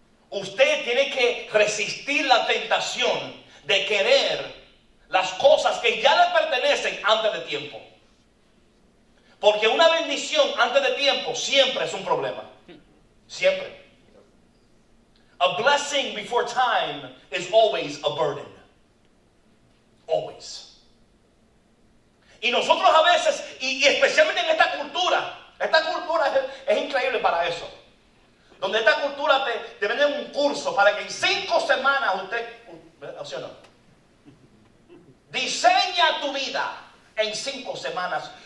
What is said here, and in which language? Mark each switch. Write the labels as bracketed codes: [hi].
[es] Usted tiene que resistir la tentación de querer las cosas que ya le pertenecen antes de tiempo. Porque una bendición antes de tiempo siempre es un problema. Siempre. [en] A blessing before time is always a burden. Always. [es] Y nosotros a veces, y especialmente en esta cultura es increíble para eso. Donde esta cultura te vende un curso para que en 5 semanas usted, ¿sí o no? Diseña tu vida en 5 semanas.